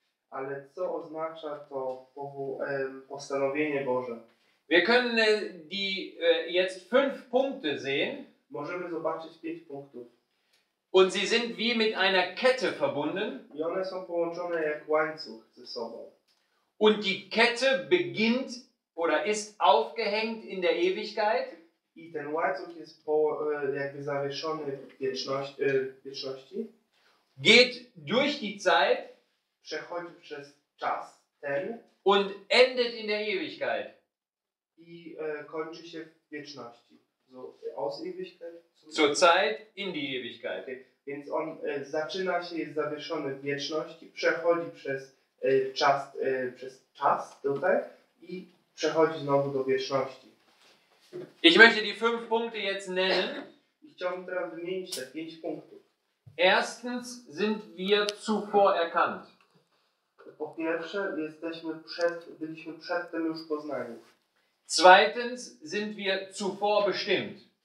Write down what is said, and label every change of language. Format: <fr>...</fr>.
<pl>Ale co oznacza to postanowienie Boże?</pl> <de>Wir können die jetzt fünf Punkte sehen.</de> <pl>Możemy zobaczyć pięć punktów.</pl> <de>Und sie sind wie mit einer Kette verbunden.</de> <pl>I one są połączone jak łańcuch ze sobą.</pl> <de>Und die Kette beginnt oder ist aufgehängt in der Ewigkeit.</de> <pl>I ten łańcuch jest jakby zawieszony w wieczności.</pl> <de>Geht durch die Zeit.</de> <pl>Przechodzi przez czas ten.</pl> <de>Und endet in der Ewigkeit.</de> <pl>I kończy się w wieczności.</pl> <de>So, aus Ewigkeit. Zur Zeit in die Ewigkeit. Okay.</de> <pl>Więc on zaczyna się, jest zawieszony w wieczności, przechodzi przez czas, przez czas tutaj i przechodzi znowu do wieczności.</pl> <de>Ich möchte die fünf Punkte jetzt nennen.</de> <pl>I chciałbym teraz wymienić te pięć punktów.</pl> <de>Erstens sind wir zuvor erkannt.</de> <pl>Po pierwsze, byliśmy przedtem już poznani.</pl> <de>Zweitens sind wir zuvor bestimmt.</de>